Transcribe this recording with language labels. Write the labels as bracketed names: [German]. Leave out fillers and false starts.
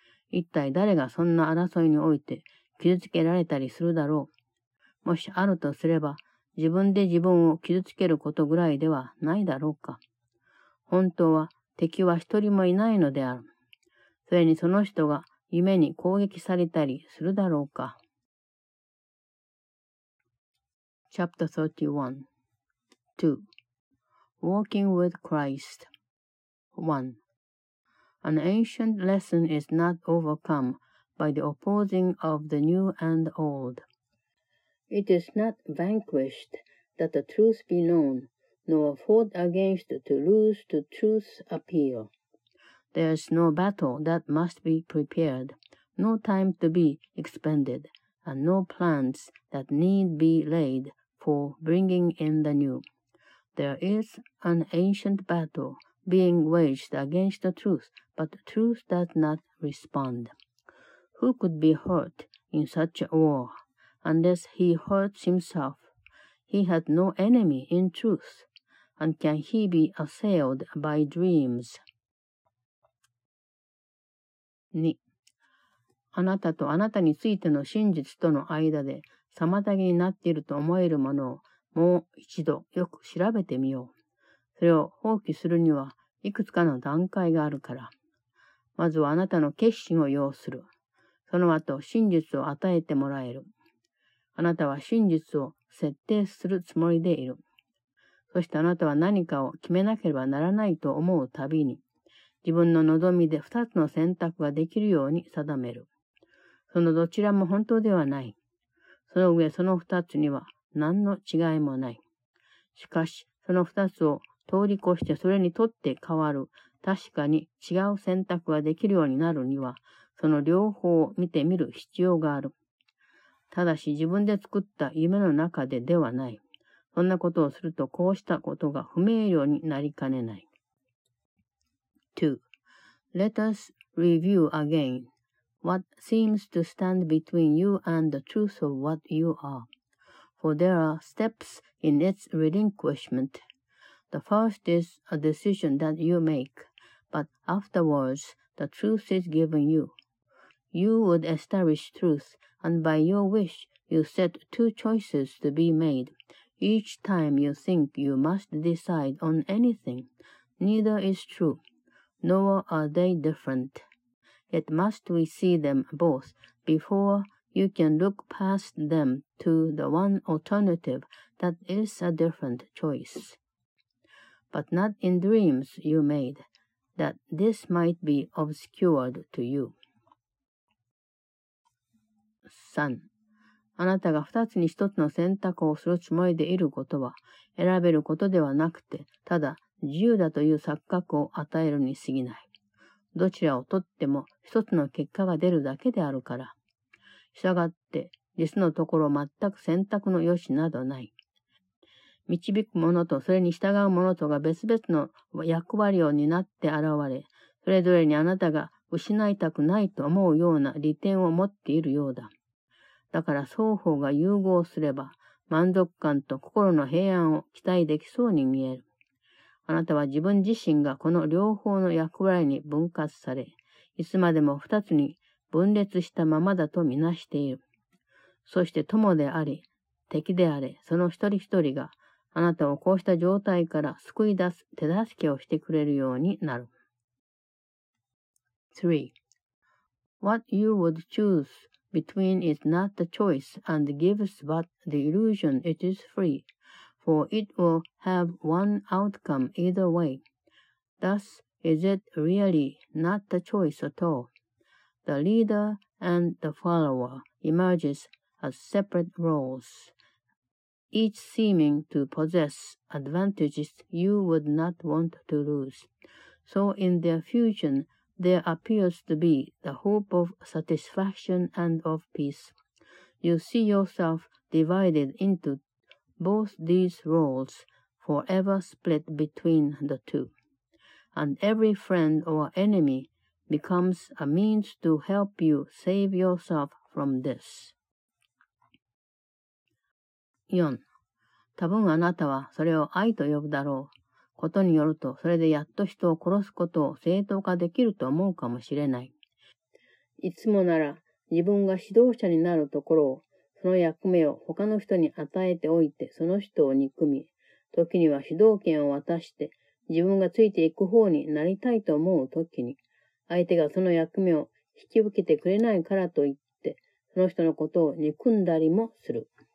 [Japanese] 一体誰がそんな争いにおいて傷つけられたりするだろう。もしあるとすれば、自分で自分を傷つけることぐらいではないだろうか。本当は敵は一人もいないのである。それにその人が夢に攻撃されたりするだろうか。 [English] Chapter 31 2 Walking with Christ 1 An ancient lesson is not overcome by the opposing of the new and old. It is not vanquished that the truth be known, nor fought against to lose to truth's appeal. There is no battle that must be prepared, no time to be expended, and no plans that need be laid. For bringing in the new. There is an ancient battle being waged against the truth, but the truth does not respond. Who could be hurt in such a war unless he hurts himself? He had no enemy in truth, and can he be assailed by dreams? [Japanese] 2. あなたとあなたについての真実との間で妨げになっていると思えるものをもう一度よく調べてみよう。それを放棄するにはいくつかの段階があるから。まずはあなたの決心を要する。その後真実を与えてもらえる。あなたは真実を設定するつもりでいる。そしてあなたは何かを決めなければならないと思うたびに、自分の望みで二つの選択ができるように定める。そのどちらも本当ではない。その上その二つには何の違いもない。しかし、その二つを通り越してそれにとって変わる、確かに違う選択ができるようになるには、その両方を見てみる必要がある。ただし自分で作った夢の中でではない。そんなことをするとこうしたことが不明瞭になりかねない。 [English] 2.Let us review again. What seems to stand between you and the truth of what you are. For there are steps in its relinquishment. The first is a decision that you make, but afterwards the truth is given you. You would establish truth, and by your wish you set two choices to be made. Each time you think you must decide on anything, neither is true, nor are they different. Yet must we see them both before you can look past them to the one alternative that is a different choice. But not in dreams you made, that this might be obscured to you. 3. [Japanese] あなたが二つに一つの選択をするつもりでいることは、選べることではなくて、ただ自由だという錯覚を与えるに過ぎない。どちらをとっても一つの結果が出るだけであるから。したがって、実のところ全く選択の余地などない。導く者とそれに従う者とが別々の役割を担って現れ、それぞれにあなたが失いたくないと思うような利点を持っているようだ。だから双方が融合すれば、満足感と心の平安を期待できそうに見える。あなたは自分自身がこの両方の役割に分割され、いつまでも二つに分裂したままだとみなしている。そして友であり、敵であれ、その一人一人があなたをこうした状態から救い出す手助けをしてくれるようになる。 [English] 3.What you would choose between is not the choice and gives but the illusion it is free. For it will have one outcome either way. Thus, is it really not the choice at all? The leader and the follower emerges as separate roles, each seeming to possess advantages you would not want to lose. So in their fusion, there appears to be the hope of satisfaction and of peace. You see yourself divided into both these roles, forever split between the two. And every friend or enemy becomes a means to help you save yourself from this. 4. [Japanese] 多分あなたはそれを愛と呼ぶだろう。ことによると、それでやっと人を殺すことを正当化できると思うかもしれない。いつもなら自分が指導者になるところを、その役目を他の人に与えておいてその人を憎み、時には主導権を渡して自分がついていく方になりたいと思う時に、相手がその役目を引き受けてくれないからといって、その人のことを憎んだりもする。